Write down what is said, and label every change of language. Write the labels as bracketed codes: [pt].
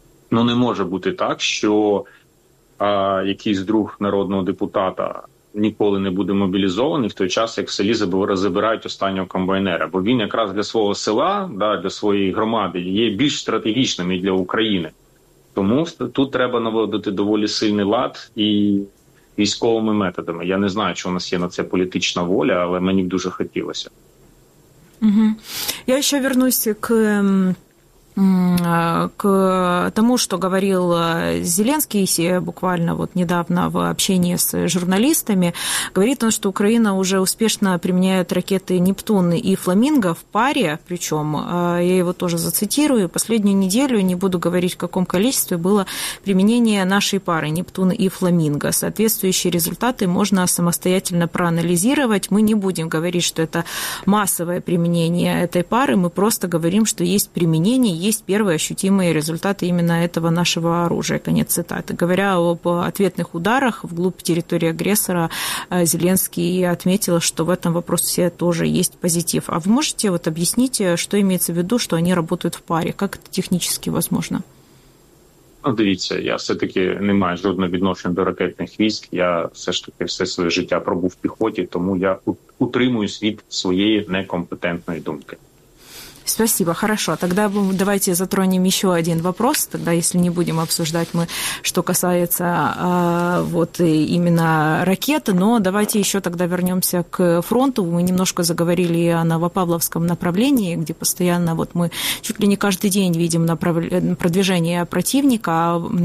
[uk] Ну, не може бути так, що якийсь друг народного депутата ніколи не буде мобілізований в той час, як в селі забирають останнього комбайнера. Бо він якраз для свого села, да, для своєї громади є більш стратегічним і для України. Тому тут треба наводити доволі сильний лад і військовими методами. Я не знаю, чи у нас є на це політична воля, але мені б дуже хотілося. Угу. Я ще [ru] вернусь к тому, что говорил Зеленский буквально вот недавно в общении с журналистами. Говорит он, что Украина уже успешно применяет ракеты «Нептун» и «Фламинго» в паре, причем, я его тоже зацитирую, последнюю неделю, не буду говорить, в каком количестве, было применение нашей пары «Нептун» и «Фламинго». Соответствующие результаты можно самостоятельно проанализировать. Мы не будем говорить, что это массовое применение этой пары, мы просто говорим, что есть применение, есть первые ощутимые результаты именно этого нашего оружия. Конец цитаты. Говоря об ответных ударах вглубь территории агрессора, Зеленский отметил, что в этом вопросе тоже есть позитив. А вы можете вот объяснить, что имеется в виду, что они работают в паре? Как это технически возможно? [uk] Ну, дивіться, я все-таки не маю жодного відношення до ракетних військ. Я все ж таки все своє життя пробув в піхоті, тому я утримуюсь від своєї некомпетентної думки. [ru] Спасибо. Хорошо. Тогда давайте затронем еще один вопрос. Тогда, если не будем обсуждать мы, что касается вот именно ракеты, но давайте еще тогда вернемся к фронту. Мы немножко заговорили о Новопавловском направлении, где постоянно вот мы чуть ли не каждый день видим продвижение противника.